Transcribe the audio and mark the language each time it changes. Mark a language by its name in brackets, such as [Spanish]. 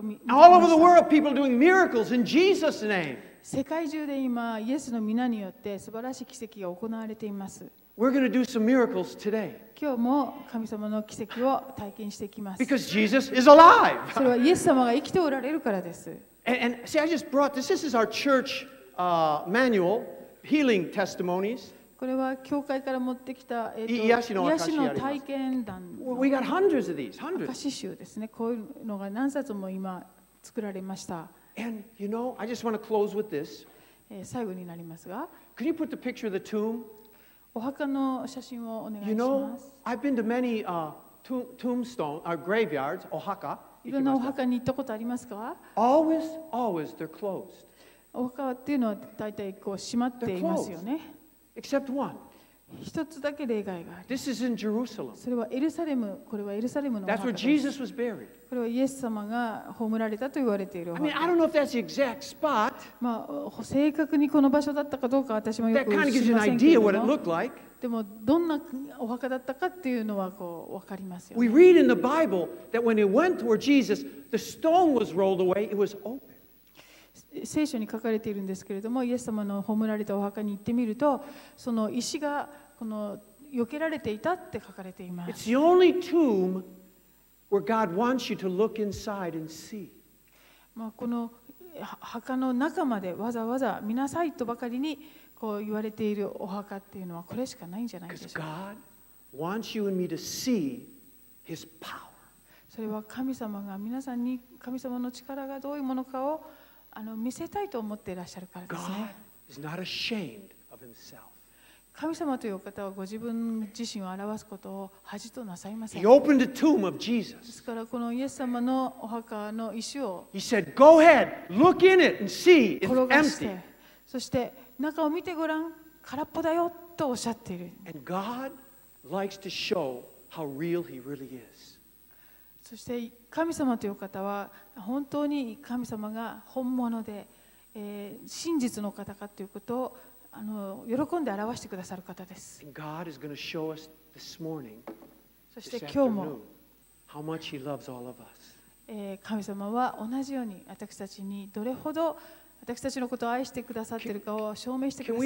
[English] All over the world, people doing miracles in Jesus' name. [Japanese] 世界中で今、イエスの名によって素晴らしい奇跡が行われています。 [English] We're going to do some miracles today. [Japanese] 今日も神様の奇跡を体験していきます。 [English] Because Jesus is alive. [Japanese] それはイエス様が生きておられるからです。 [English] And see, I just brought this. This is our church manual, healing testimonies. [Japanese] これは教会から持ってきた癒しの体験談。 [English] We got hundreds of these. Hundreds. [Japanese] 証集ですね。こういうのが何冊も今作られました。 [English] And you know, I just want to close with this. [Japanese] 最後になりますが。 [English] Can you put the picture of the tomb? [Japanese] お墓の写真をお願いします。 [English] You know, I've been to many tombstone or graveyards, お墓。 [Japanese] いろんなお墓に行ったことありますか？ [English] Always, always they're closed. [Japanese] お墓っていうのは大体こう閉まっていますよね。 [English] Except one. [Japanese] 一つだけ例外があります。 [English] This is in Jerusalem. [Japanese] それはエルサレム、これはエルサレムのお墓です。 [English] That's where Jesus was buried. [Japanese] これはイエス様が葬られたと言われているお墓。 [English] I mean, I don't know if that's the exact spot. [Japanese] まあ正確にこの場所だったかどうか私もよく知りませんけども。 [English] That kind of gives you an idea what it looked like. [Japanese] でもどんなお墓だったかっていうのはこう分かりますよね。 [English] We read in the Bible that when it went toward Jesus, the stone was rolled away. It was open. [Japanese] 聖書に書かれているんですけれども、イエス様の葬られたお墓に行ってみると、その石がこの避けられていたって書かれています。 [English] It's the only tomb where God wants you to look inside and see. [Japanese] まあこの墓の中までわざわざ見なさいとばかりに。こう言われているお墓っていうのはこれしかないんじゃないでしょうか。 [English] God wants you and me to see His power. [Japanese] それは神様が皆さんに神様の力がどういうものかを見せたいと思っていらっしゃるからですね。 [English] God is not ashamed of Himself. [Japanese] 神様というお方はご自分自身を表すことを恥となさいません。 [English] He opened the tomb of Jesus. [Japanese] ですからこのイエス様のお墓の石を、 [English] He said, "Go ahead, look in it and see it's empty." [Japanese] そして中を見てごらん、空っぽだよとおっしゃっている。 [English] And God likes to show how real He really is. [Japanese] そして神様という方は本当に神様が本物で、真実の方かということを喜んで表してくださる方です。 [English] And God is going to show us this morning, [Japanese] そして今日も、 [English] this afternoon, how much He loves all of us. [Japanese] 神様は同じように私たちにどれほど私たちのことを愛してくださっているかを証明してください。